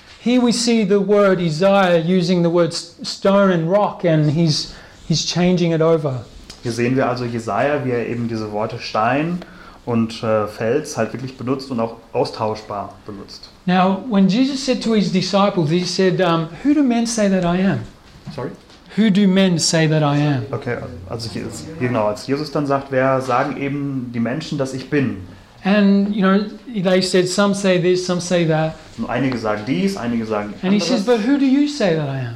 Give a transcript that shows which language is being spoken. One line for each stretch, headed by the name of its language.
English: Here we see the word Isaiah using the words stone and rock, and he's changing it over.
German: Hier sehen wir also Jesaja, wie er eben diese Worte Stein und Fels halt wirklich benutzt und auch austauschbar benutzt.
English: Now, when Jesus said to his disciples, he said, "Who do men say that I am?" Sorry. Who do men say that I am?
German: Okay, also genau, als Jesus dann sagt, wer sagen eben die Menschen, dass ich bin?
English: And you know, they said some say this, some say that.
German: Und einige sagen dies, einige sagen and anderes.
English: He says, but who do you say that I am?